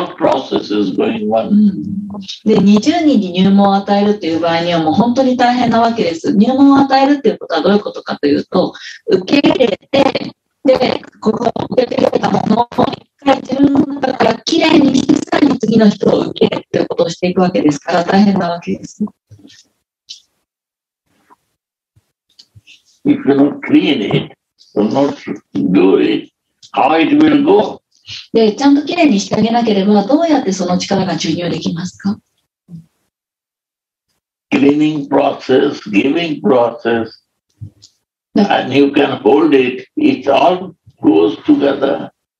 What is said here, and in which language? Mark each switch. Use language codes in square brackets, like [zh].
[ja] 20人に入門を与えるという場合にはもう本当に大変なわけです。入門を与えるということはどういうことかというと、受け入れて、で、ここを受け入れたものを自分の中からきれいに静かに次の人を受けるということをしていくわけですから、大変なわけです。 [en] If you don't clean it, not do it, how it will go? [ja] で、ちゃんときれいにしてあげなければ、どうやってその力が注入できますか？ [en] Cleaning process, giving process, and you can hold it, it all goes together.